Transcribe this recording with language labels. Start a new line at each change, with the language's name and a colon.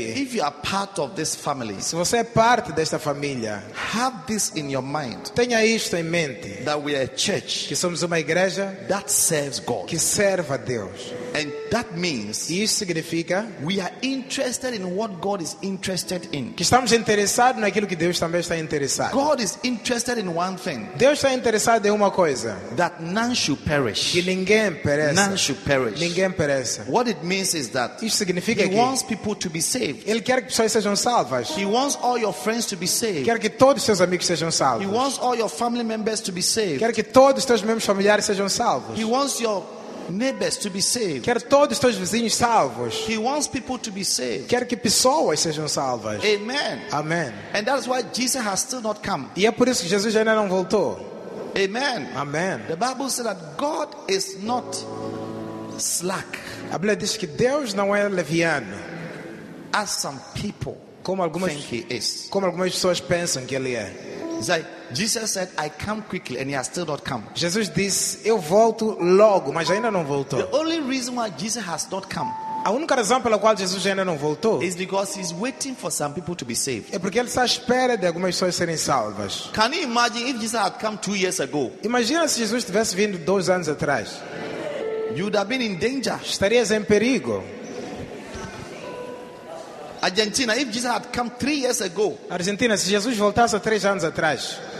English: if you are part of this family,
Portuguese: se você é parte desta família,
English: have this in your mind,
Portuguese: tenha isto em mente,
English: that we are a church,
Portuguese: que somos uma igreja,
English: that serves God,
Portuguese: que serve a Deus.
English: And that means,
Portuguese: e isso significa,
English: we are interested in what God is interested in,
Portuguese: que estamos interessados naquilo que Deus também está interessado.
English: God is interested in one thing,
Portuguese: Deus está interessado em uma coisa,
English: that none should perish,
Portuguese: que ninguém perece.
English: None should perish.
Portuguese: Ninguém perece.
English: What it means is that,
Portuguese: isso significa
English: he
Portuguese: que
English: wants people to be saved.
Portuguese: Ele quer que pessoas sejam salvas.
English: He wants all your friends to be saved.
Portuguese: Quer que todos os seus amigos sejam salvos.
English: He wants all your family members to be saved.
Portuguese: Quer que todos os seus membros familiares sejam salvos.
English: He wants your neighbors to be saved.
Portuguese: Quer todos os seus vizinhos salvos.
English: He wants people to be saved.
Portuguese: Quer que pessoas sejam salvas.
English: Amen.
Portuguese: Amen.
English: And that's why Jesus has still not come.
Portuguese: E é por isso que Jesus ainda não voltou.
English: Amen.
Portuguese: Amen.
English: The Bible says that God is not slack.
Portuguese: A Bíblia diz que Deus não é leviano.
English: As some people
Portuguese: como algumas,
English: think he is.
Portuguese: Como algumas pessoas pensam que ele é.
English: Jesus said, I come quickly, and he has still not come.
Portuguese: Jesus disse, eu volto logo, mas ainda não voltou.
English: The only reason why Jesus has not come,
Portuguese: a única razão pela qual Jesus ainda não voltou,
English: is because he's waiting for some people to be saved.
Portuguese: É porque ele está à espera de algumas pessoas serem salvas.
English: Can you imagine if Jesus had come 2 years ago?
Portuguese: Imagina se Jesus tivesse vindo 2 anos atrás.
English: You would have been in danger.
Portuguese: Estarias em perigo.
English: Argentina, if Jesus had come 3 years ago.
Portuguese: Argentina, se Jesus voltasse 3 anos atrás.